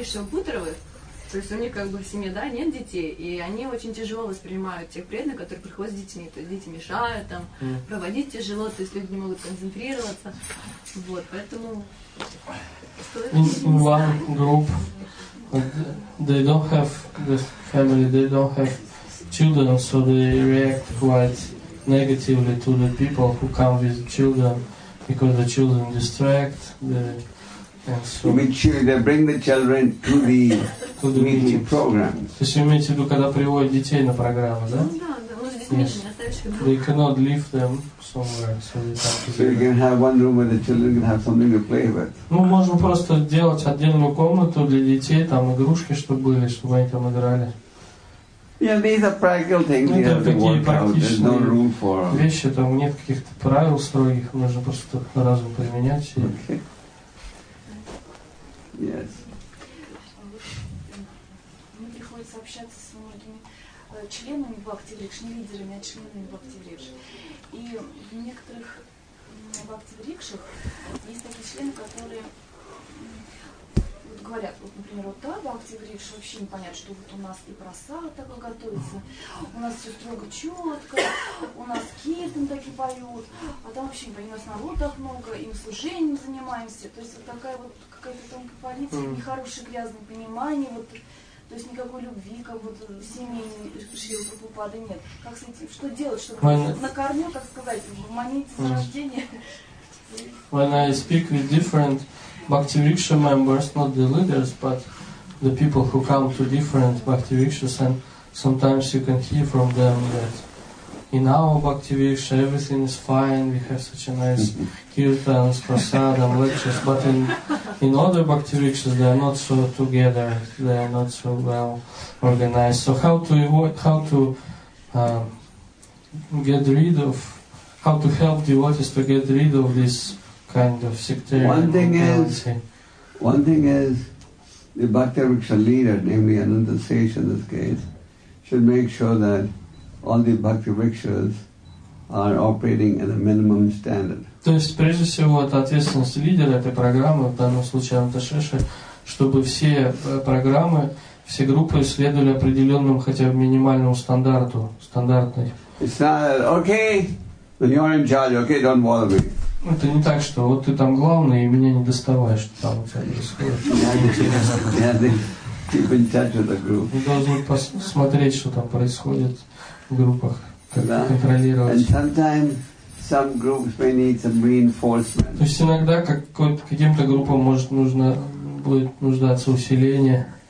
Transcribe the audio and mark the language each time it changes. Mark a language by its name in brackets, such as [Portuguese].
[Russian] Бутровых, то есть у них как бы в семье, да, нет детей, и они очень тяжело воспринимают тех преданных, которые приходят с детьми, то есть дети мешают там, проводить тяжело, то есть люди не могут концентрироваться. Вот, поэтому... [English] In one group, they don't have the family, they don't have children, so they react quite negatively to the people who come with children, because the children distract, So, you mean they bring the children to the meeting programs? [Russian] То есть вы имеете в виду, когда приводят детей на программу, да? [English] Yes. They cannot leave them somewhere, so they have to. So you can have one room where the children can have something to play with. [Russian] Мы можем просто делать отдельную комнату для детей, там игрушки, чтобы были, чтобы они там играли. [English] Yeah, these are practical things. You have to work out. There's no room for. [Russian] Вещи там нет каких-то правил строгих, нужно просто разум применять и. [English] Okay. Yes. [Russian] Мне приходится общаться с многими членами Бхакти Рикш, не лидерами, а членами Бхакти Рикш. И в некоторых Бхакти Рикшах есть такие члены, которые вот говорят, вот, например, вот та Бхакти Рикш вообще не понятно, что вот у нас и просад такой готовится, у нас все строго четко, у нас киртан такие поют, а там вообще не понятно, у нас народ так много, и мы служением занимаемся. То есть вот такая вот какая-то тонкая политика, нехорошее грязное понимание, вот, то есть никакой любви, как будто семейной Шрилы Прабхупады нет. Как с этим, что делать, чтобы на корню, так сказать, в моменте зарождения? [English] When I speak with different Bhakti Riksha members, not the leaders, but the people who come to different Bhakti Rikshas, and sometimes you can hear from them that in our Bhakti Riksha everything is fine, we have such a nice kirtans, prasadam, lectures, but in other Bhakti Rikshas they are not so together, they are not so well organized. So how to help devotees to get rid of this kind of sectarian One thing is, the Bhakti Riksha leader, namely Ananda Sesh in this case, should make sure that all the Bhakti Rikshas are operating at a minimum standard. [Russian] То есть, прежде всего, это ответственность лидера этой программы, в данном случае Ананда Сеша, чтобы все программы, все группы следовали определенным хотя бы минимальному стандарту, стандартной. [English] It's not, okay, but you're in charge, okay, don't bother me. [Russian] Это не так, что вот ты там главный, и меня не доставай, что там у тебя происходит. Ты должен посмотреть, что там происходит в группах, как контролировать. То есть иногда каким-то группам может нуждаться усиление.